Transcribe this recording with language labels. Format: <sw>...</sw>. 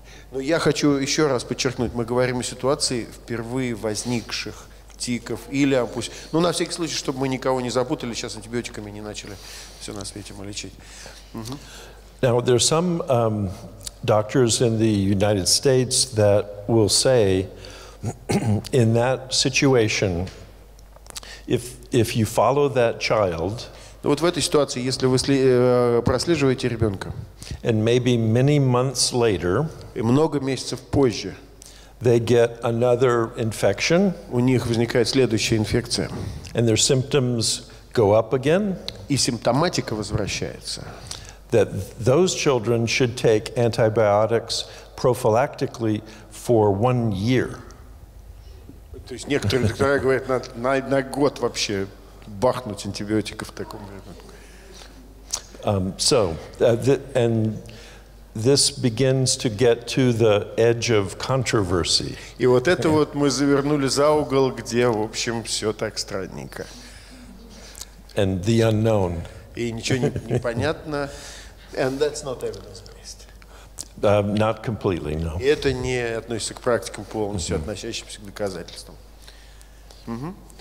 <ru>Но я хочу еще раз подчеркнуть, мы говорим о ситуации впервые возникших тиков или опусть. Ну, на всякий случай, чтобы мы никого не запутали, сейчас антибиотиками не начали все на свете мы лечить.</ru> <en>Now, there are some doctors in the United States that will say, in that situation, if you follow that child,</en> <ru>ну, вот в этой ситуации, если вы прослеживаете ребенка,</ru> <en>and maybe many months later,</en> <ru>и много месяцев позже,</ru> <en>they get another infection,</en> <ru>у них возникает следующая инфекция,</ru> <en>and their symptoms go up again,</en> <ru>и симптоматика возвращается,</ru> <en>that those children should take antibiotics prophylactically for 1 year.</en> <ru>То есть некоторые доктора говорят, на год вообще бахнуть антибиотиков в таком ребенке.</ru> <en>So, and This begins to get to the edge of controversy.</en> <ru>И вот это вот мы завернули за угол, где, в общем, все так странненько.</ru> <en>And the unknown.</en> <ru>И ничего не понятно.</ru> <en>And that's not evidence-based. Not completely, no.</en> <ru>И это не относится к практикам полностью, mm-hmm. относящимся к доказательствам. Угу.</ru>